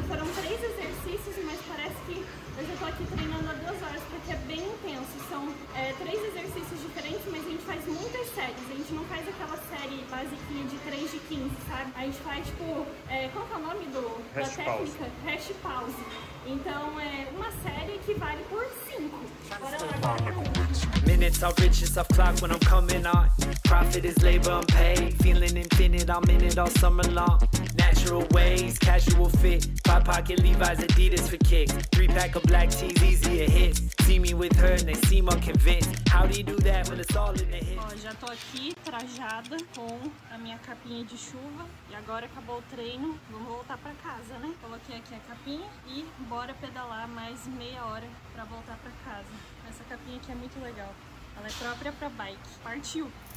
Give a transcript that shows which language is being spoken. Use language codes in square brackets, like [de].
[pt] Foram 3 exercícios, mas parece que eu já tô aqui treinando há 2 horas, porque é bem intenso. São 3 exercícios diferentes, mas a gente faz muitas séries. A gente não faz aquela série basiquinha de 3 de 15, sabe? A gente faz, tipo, qual que é o nome da [en] rest [pt] técnica? [en] Pause. Rest pause. [pt] Então é uma série que vale por 5. Bora lá. [en] Minutes are riches of clock when I'm coming on. Profit is labor unpaid. Feeling infinite, I'm in it all summer long. Natural ways, casual fit. Five pocket Levi's, Adidas for kicks. 3-pack of black tees, easier hit. See me with her and they seem unconvinced. How do you do that when it's all in the head? [pt] Ó, já tô aqui, trajada, com a minha capinha de chuva. E agora acabou o treino, vamos voltar pra casa, né? Coloquei aqui a capinha e bora pedalar mais meia hora pra voltar pra casa. Essa capinha aqui é muito legal. Ela é própria pra bike. Partiu!